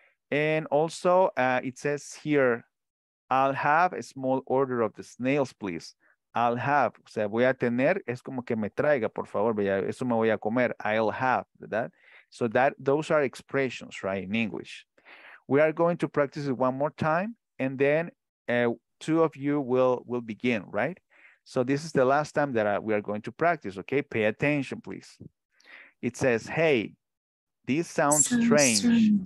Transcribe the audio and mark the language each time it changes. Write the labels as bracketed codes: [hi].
[en] And also, it says here, I'll have a small order of the snails, please. I'll have, [es] o sea, voy a tener, es como que me traiga, por favor, eso me voy a comer. [en] I'll have, ¿verdad? So that, those are expressions, right, in English. We are going to practice it one more time, and then two of you will begin, right? So this is the last time that we are going to practice, okay? Pay attention, please. It says, hey, this sounds strange.